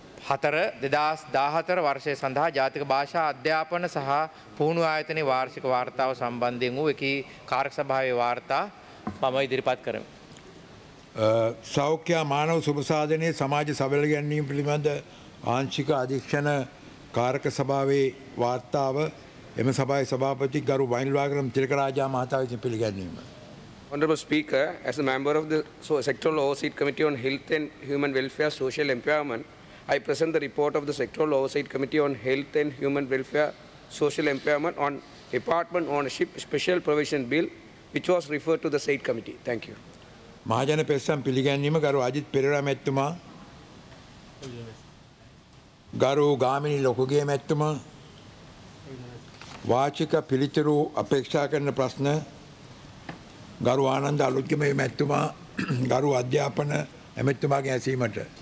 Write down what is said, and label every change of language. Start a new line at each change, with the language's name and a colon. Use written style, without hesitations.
Sinhala: 2014 වර්ෂය සඳහා ජාතික භාෂා අධ්‍යාපන සහ පුහුණු ආයතනයේ වාර්ෂික වාර්තාව සම්බන්ධයෙන් වූ එකී කාර්ක සභාවේ වාර්තා මම ඉදිරිපත් කරමි. සෞඛ්‍ය මානව සුබසාධනයේ සමාජ සබල ගැනීම පිළිබඳ ආංශික අධීක්ෂණ කාර්ක සභාවේ වාර්තාව එම සභාවේ සභාපති ගරු වයින්ලවාගරම් තිලකරාජා මහතා විසින් පිළිගැන්වීම.
English: Honorable Speaker, as a member of the Sectoral Oversight Committee on Health and Human Welfare Social Empowerment, I present the report of the Sectoral Oversight Committee on Health and Human Welfare Social Empowerment on Department Ownership Special Provision Bill, which was referred to the said committee. Thank you.
Sinhala: මහජන පෙස්සම් පිළිගැන්වීම ගරු අජිත් පෙරේරා මැතිතුමා. ගරු ගාමිණී ලොකුගේ මැතිතුමා. වාචික පිළිතුරු අපේක්ෂා කරන ප්‍රශ්න ගරු ආනන්ද අලුත්ගමේ මැතිතුමා ගරු අධ්‍යාපන ඇමතිතුමාගේ ඇසීමට